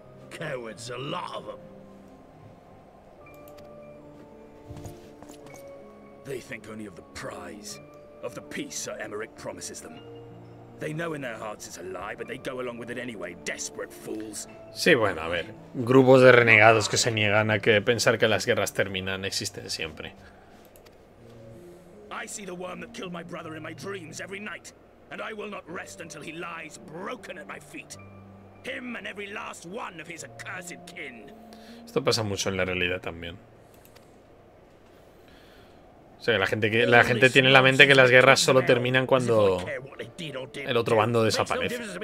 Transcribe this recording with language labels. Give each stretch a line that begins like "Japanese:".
English: Cowards, a lot of them. They think only of the prize, of the peace Sir Emmerich promises them. They know in their hearts it's a lie, but they go along with it anyway, desperate fools.
Spanish: Sí, bueno, a ver. Grupos de renegados que se niegan a que pensar que las guerras terminan existen siempre.
English: I see the worm that killed my brother in my dreams every night, and I will not rest until he lies broken at my feet. Him and every last one of his accursed kin.
Spanish: Esto pasa mucho en la realidad también. O sea, la gente tiene en la mente que las guerras solo terminan cuando el otro bando desaparece.